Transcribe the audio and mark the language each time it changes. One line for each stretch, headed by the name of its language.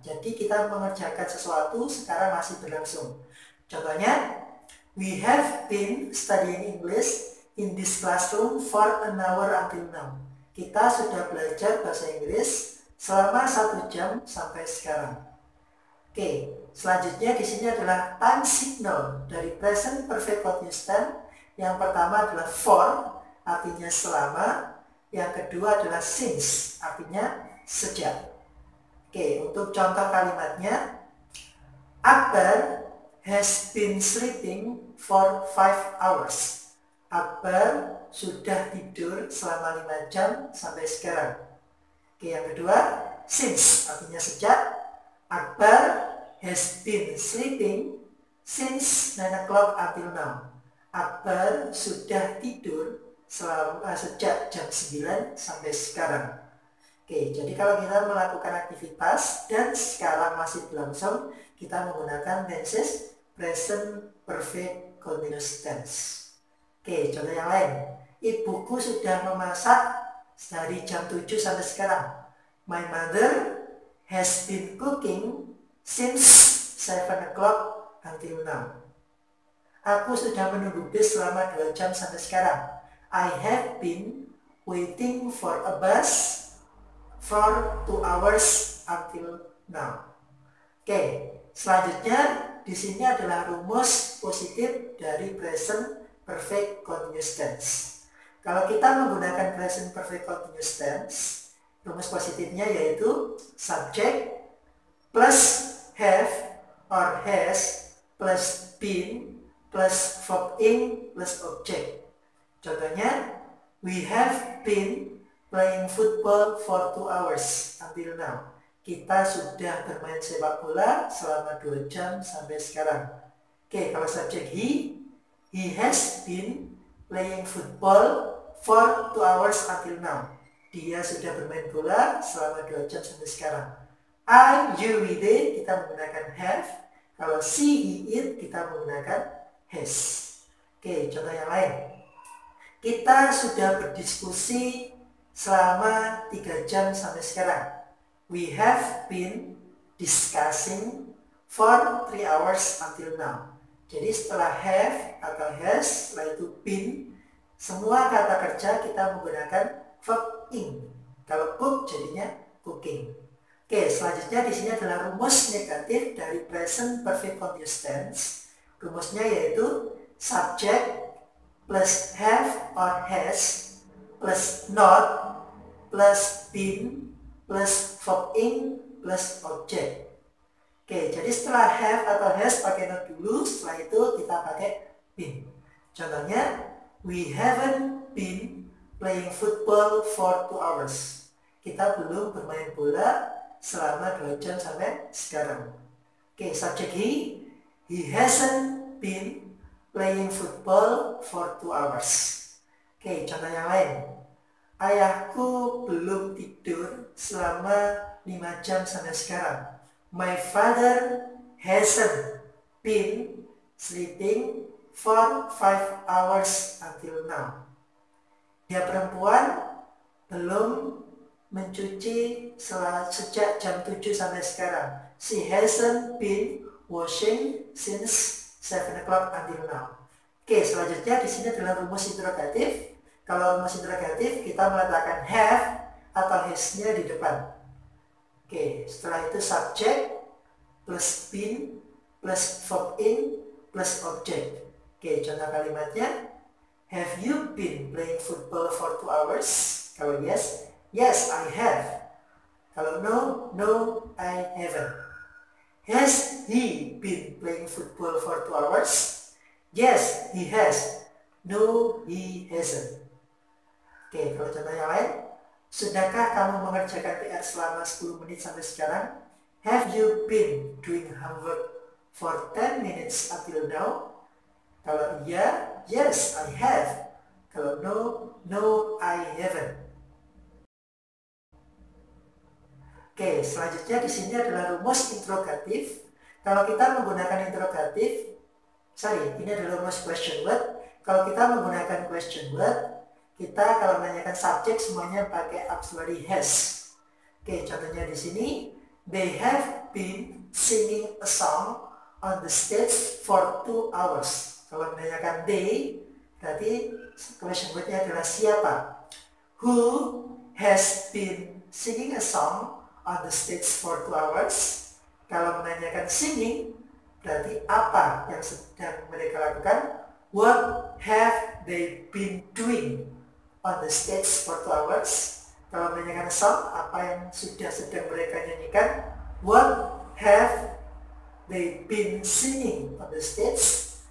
Indonesian: Jadi kita mengerjakan sesuatu sekarang masih berlangsung. Contohnya,
English: we have been studying English in this classroom for an hour until now.
Indonesian: Kita sudah belajar bahasa Inggris selama 1 jam sampai sekarang. Oke, selanjutnya di sini adalah time signal dari present perfect continuous tense. Yang pertama adalah for, artinya selama. Yang kedua adalah since, artinya sejak. Oke, untuk contoh kalimatnya,
English: Akbar has been sleeping for 5 hours.
Indonesian: Akbar sudah tidur selama 5 jam sampai sekarang. Oke, yang kedua, since, artinya sejak.
English: Akbar has been sleeping since 9 o'clock until now.
Indonesian: Akbar sudah tidur sejak jam 9 sampai sekarang. Oke, jadi kalau kita melakukan aktivitas dan sekarang masih berlangsung, kita menggunakan tenses present perfect continuous tense. Oke, contoh yang lain. Ibuku sudah memasak dari jam 7 sampai sekarang.
English: My mother has been cooking since 7 o'clock until now.
Indonesian: Aku sudah menunggu bus selama 2 jam sampai sekarang.
English: I have been waiting for a bus for 2 hours until now.
Indonesian: Oke, selanjutnya di sini adalah rumus positif dari present perfect continuous tense. Kalau kita menggunakan present perfect continuous tense, rumus positifnya yaitu subject plus have or has plus been plus verb in plus object.
English: Contohnya, we have been playing football for 2 hours until now.
Indonesian: Kita sudah bermain sepak bola selama 2 jam sampai sekarang. Oke, kalau
English: subject he has been playing football for 2 hours until now.
Indonesian: Dia sudah bermain bola selama 2 jam sampai sekarang.
English: Are you with it?
Indonesian: Kita menggunakan have. Kalau see, he, it, kita menggunakan has. Oke, contoh yang lain. Kita sudah berdiskusi selama 3 jam sampai sekarang.
English: We have been discussing for 3 hours until now.
Indonesian: Jadi setelah have atau has, setelah itu been, semua kata kerja kita menggunakan verb in. Kalau cook jadinya cooking. Oke, selanjutnya di sini adalah rumus negatif dari present perfect continuous tense. Rumusnya yaitu subject plus have or has plus not plus been plus verb in plus object. Oke, jadi setelah have atau has pakai not dulu, setelah itu kita pakai been. Contohnya,
English: we haven't been playing football for 2 hours.
Indonesian: Kita belum bermain bola selama 2 jam sampai sekarang.
English: Oke, subject he hasn't been playing football for 2 hours.
Indonesian: Oke, contoh yang lain. Ayahku belum tidur selama 5 jam sampai sekarang.
English: My father hasn't been sleeping for 5 hours until now.
Indonesian: Dia perempuan belum mencuci sejak jam 7 sampai sekarang.
English: She hasn't been washing since 7 o'clock until now.
Indonesian: Oke, selanjutnya di sini adalah rumus interrogatif. Kalau rumus interrogatif, kita meletakkan have atau has-nya di depan. Oke, setelah itu subject plus been plus verb in plus object. Oke, contoh kalimatnya,
English: have you been playing football for 2 hours?
Indonesian: Kalau
English: yes, yes, I have. Kalau no, no, I haven't. Has he been playing football for 2 hours? Yes, he has. No, he hasn't. Ok,
Indonesian: Oke, kalau contoh yang lain, sudahkah kamu mengerjakan PR selama 10 menit sampai sekarang?
English: Have you been doing homework for 10 minutes until now?
Indonesian: Kalau iya,
English: yes, I have. Kalau no, no, I haven't.
Indonesian: Oke, selanjutnya di sini adalah rumus interrogatif. Kalau kita menggunakan interrogatif,
English: sorry,
Indonesian: ini adalah rumus question word. Kalau kita menggunakan question word, kita kalau menanyakan subjek semuanya pakai auxiliary has. Oke, contohnya di sini,
English: they have been singing a song on the stage for 2 hours.
Indonesian: Kalau menanyakan they, berarti question word-nya adalah siapa?
English: Who has been singing a song on the stage for 2 hours?
Indonesian: Kalau menanyakan singing, berarti apa yang sedang mereka lakukan?
English: What have they been doing on the stage for 2 hours?
Indonesian: Kalau menanyakan song, apa yang sudah sedang mereka nyanyikan?
English: What have they been singing on the stage?